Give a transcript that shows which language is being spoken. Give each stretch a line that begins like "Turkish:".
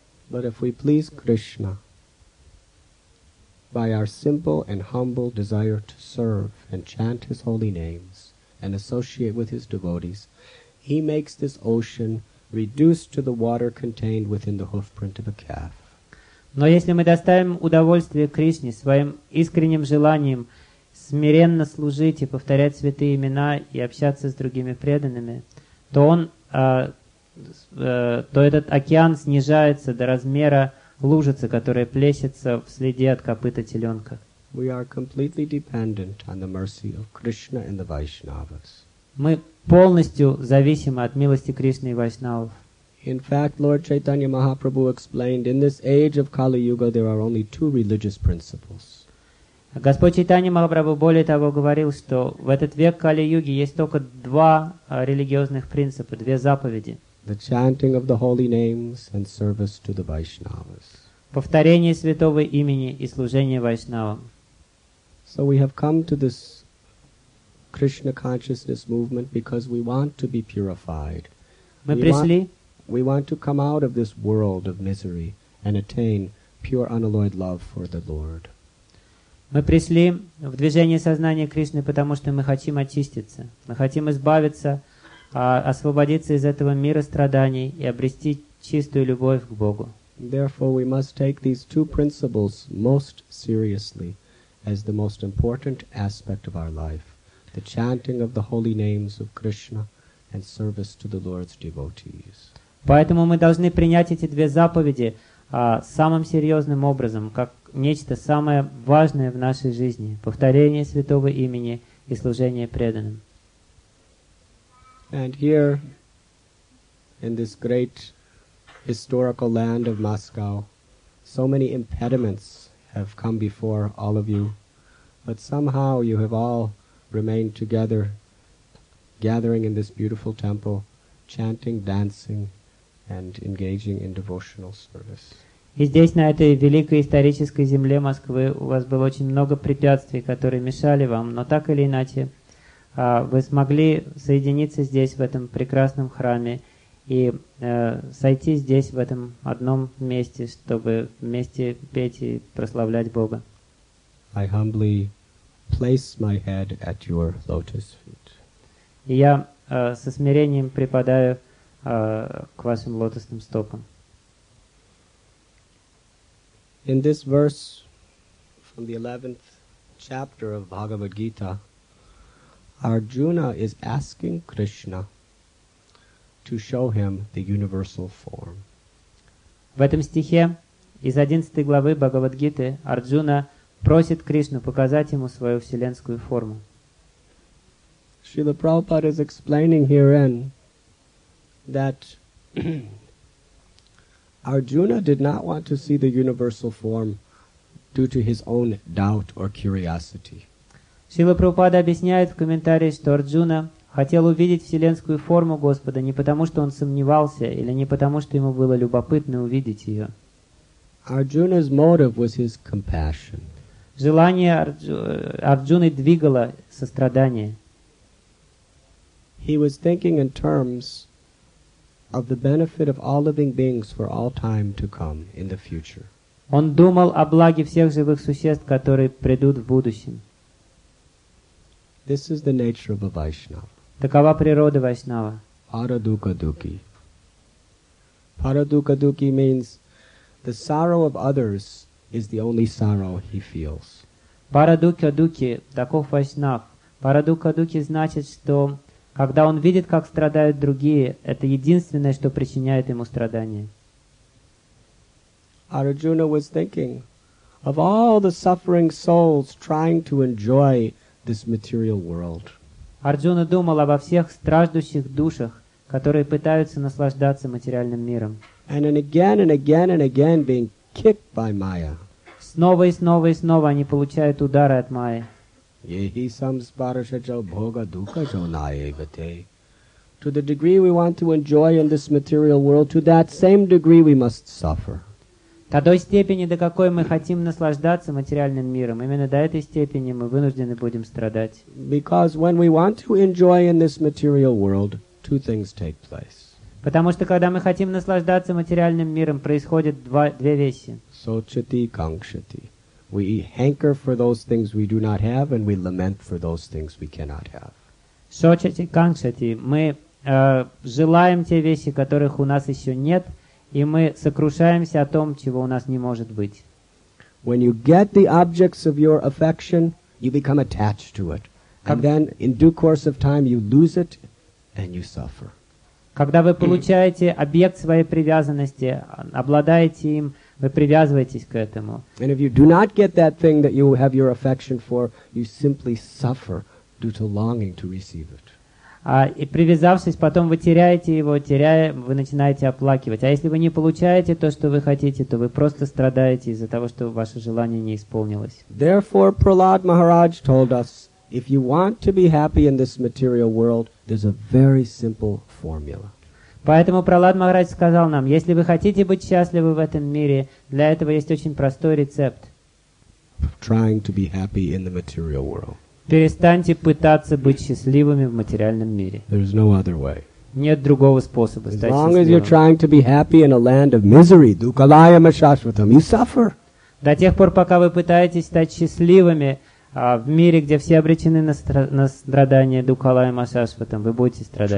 English: But if we please Krishna by our simple and humble desire to serve and chant his holy names and associate with his devotees, he makes this ocean reduced to the water contained within the hoofprint of a calf.
Russian: Но если мы доставим удовольствие Кришне своим искренним желанием смиренно служить и повторять святые имена и общаться с другими преданными, то он, то этот океан снижается до размера лужицы, которая плещется в следе от копыта теленка.
English: We are completely dependent on the mercy of Krishna and the Vaishnavas.
Russian: Мы полностью зависимы от милости Кришны и Вайшнавов.
English: In fact, Lord Chaitanya Mahaprabhu explained, in this age of Kali Yuga, there are only two religious principles.
Russian: Господь Чайтанья Махапрабху более того говорил, что в этот век Кали Юги есть только два религиозных принципа, две заповеди.
English: The chanting of the holy names and service to the Vaishnavas.
Russian: Повторение святого имени и служение Вайшнавам.
English: So we have come to this Krishna consciousness movement because we want to be purified.
Russian: Мы пришли.
English: We want to come out of this world of misery and attain pure unalloyed love for the Lord.
Russian: Мы пришли в движение сознания Кришны, потому что мы хотим очиститься. Мы хотим избавиться освободиться из этого мира страданий и обрести чистую любовь к Богу.
English: Therefore, we must take these two principles most seriously as the most important aspect of our life, the chanting of the holy names of Krishna and service to the Lord's devotees.
Russian: Поэтому мы должны принять эти две заповеди самым серьезным образом, как нечто самое важное в нашей жизни – повторение святого имени и служение преданным.
English: And here, in this great historical land of Moscow, so many impediments have come before all of you, but somehow you have all remained together, gathering in this beautiful temple, chanting, dancing, and engaging in devotional service.
Russian: И здесь, на этой великой исторической земле Москвы, у вас было очень много препятствий, которые мешали вам, но так или иначе, вы смогли соединиться здесь, в этом прекрасном храме, и сойти здесь, в этом одном месте, чтобы вместе петь и прославлять Бога.
English: I humbly place my head at your lotus feet.
Russian: И я со смирением припадаю к вашим лотосным стопам.
English: In this verse from the 11th chapter of Bhagavad Gita, Arjuna is asking Krishna to show him the universal form.
Russian: В этом стихе из 11 главы Бхагавад Гиты Арджуна просит Кришну показать ему свою вселенскую форму.
English: Srila Prabhupada is explaining herein that Arjuna did not want to see the universal form due to his own doubt or curiosity.
Russian: Srila Prabhupada объясняет в комментарии, что Арджуна хотел увидеть вселенскую форму Господа не потому, что он сомневался, или не потому, что ему было любопытно увидеть ее.
English: Arjuna's motive was his compassion.
Russian: Желание Арджуны двигало сострадание.
English: He was thinking in terms of the benefit of all living beings for all time to come in the future.
Russian: Он думал о благе всех живых существ, которые придут в будущем.
English: This is the nature of a Vaishnava.
Russian: Такова природа Вайшнава.
Sanskrit: Парадукадуки.
English: Парадукадуки means the sorrow of others is the only sorrow he feels.
Russian: Парадукадуки, таков Вайшнав. Парадукадуки значит, что когда он видит, как страдают другие, это единственное, что причиняет ему страдания.
English: Arjuna was thinking of all the suffering souls trying to enjoy this material world.
Russian: Арджуна думал обо всех страждущих душах, которые пытаются наслаждаться материальным миром.
English: And again being kicked by Maya.
Russian: Снова и снова и снова они получают удары от Майи.
Sanskrit: Yehi samsparsha cha bhoga dukha cha nayegate.
English: To the degree we want to enjoy in this material world, to that same degree we must suffer.
Russian: До той степени, до какой мы хотим наслаждаться материальным миром, именно до этой степени мы вынуждены будем страдать.
English: Because when we want to enjoy in this material world, two things take place.
Russian: Потому что когда мы хотим наслаждаться материальным миром, происходят две вещи.
Sanskrit: Сочати канкшати.
English: We hanker for those things we do not have, and we lament for those things we cannot have.
Sanskrit: Сочати канкшати.
Russian: Мы желаем те вещи, которых у нас еще нет, и мы сокрушаемся о том, чего у нас не может быть.
English: When you get the objects of your affection, you become attached to it. And then, in due course of time, you lose it, and you suffer.
Russian: Когда вы получаете объект своей привязанности, обладаете им, вы привязываетесь к этому.
English: And if you do not get that thing that you have your affection for, you simply suffer due to longing to receive it.
Russian: И привязавшись, потом вы теряете его, вы начинаете оплакивать. А если вы не получаете то, что вы хотите, то вы просто страдаете из-за того, что ваше желание не исполнилось.
English: Therefore, Prahlad Maharaj told us, if you want to be happy in this material world, there's a very simple formula.
Russian: Поэтому Прахлад Махарадж сказал нам, если вы хотите быть счастливы в этом мире, для этого есть очень простой рецепт.
English: Trying to be happy in the material world.
Russian: Перестаньте пытаться быть счастливыми в материальном мире.
English: There's no other way.
Russian: Нет другого способа стать счастливым.
English: As long as you're trying to be happy in a land of misery,
Sanskrit: dukalaya mashashvatam,
English: you suffer.
Russian: До тех пор, пока вы пытаетесь стать счастливыми в мире, где все обречены на страдания,
Sanskrit: Дукхала и Масашвата,
Russian: вы будете страдать.